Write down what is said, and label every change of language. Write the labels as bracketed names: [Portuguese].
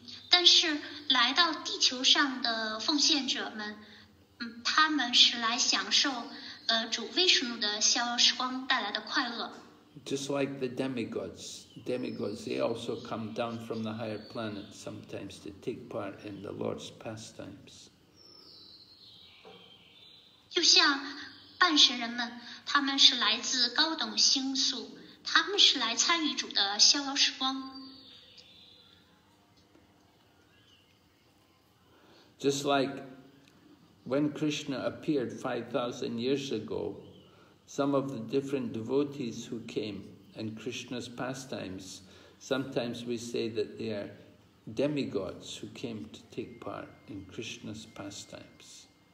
[Chinese] 但是来到地球上的奉献者们，他们是来享受主威士努的消时光带来的快乐。 [English] Just like the demigods, they also come down from the higher planet sometimes to take part in the Lord's pastimes. [Chinese] 就像半神人们。他们是来自高等星宿，他们是来参与主的逍遥时光。 [English] Just like when Krishna appeared 5,000 years ago, some of the different devotees who came and Krishna's pastimes, sometimes we say that they are demigods who came to take part in Krishna's pastimes.